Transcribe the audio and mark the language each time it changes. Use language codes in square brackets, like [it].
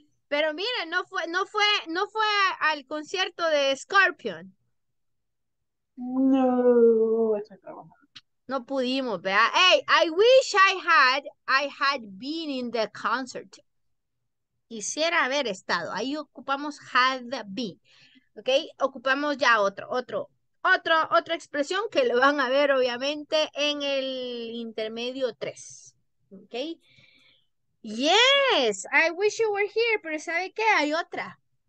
[es] Pero miren, no fue al concierto de Scorpion. No, No pudimos, ¿verdad? [en] Hey, I wish I had been in the concert. [es] Quisiera haber estado. Ahí ocupamos [en] had been. [es] ¿Ok? Ocupamos ya otra expresión que lo van a ver, obviamente, en el intermedio 3. [en] ¿Ok? Yes, I wish you were here, [es] pero ¿sabe qué? Hay otra.